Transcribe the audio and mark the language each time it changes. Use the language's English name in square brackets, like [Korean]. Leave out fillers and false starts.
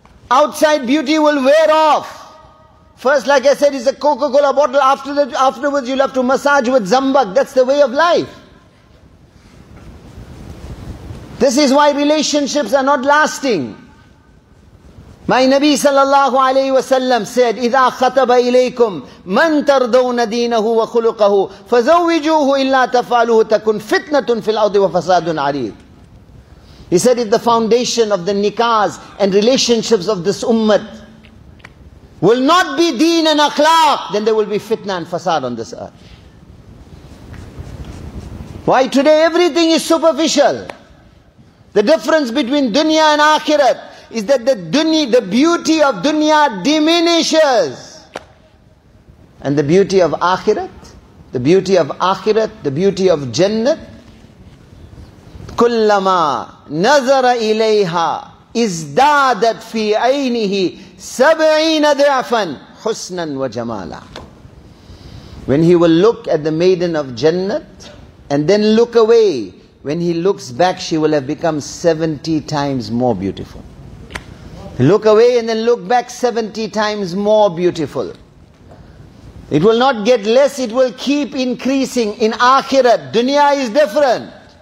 [English] Outside beauty will wear off. First, like I said, it's a Coca-Cola bottle. Afterwards, you'll have to massage with zambak. That's the way of life. This is why relationships are not lasting. My Nabi sallallahu alayhi wa sallam said, [Arabic] إِذَا خَطَبَ إِلَيْكُمْ مَنْ تَرْضَوْنَ دِينَهُ وَخُلُقَهُ فَزَوِّجُوهُ إِلَّا تَفَعَلُهُ تَكُنْ فِتْنَةٌ فِي الْأَرْضِ وَفَسَادٌ عَرِيضٌ. [English] He said, if the foundation of the nikahs and relationships of this ummah will not be deen and akhlaq, then there will be fitna and fasad on this earth. Why today everything is superficial? The difference between dunya and akhirat is that the beauty of dunya diminishes. And the beauty of akhirat, the beauty of akhirat, the beauty of jannah, [Arabic] كُلَّمَا نَظَرَ إِلَيْهَا ازدادت في عينه 70 ضعفا حسنا وجمالا. [English] When he will look at the maiden of Jannat and then look away, when he looks back, she will have become 70 times more beautiful. Look away and then look back, 70 times more beautiful. It will not get less, it will keep increasing. In akhirat, dunya is different.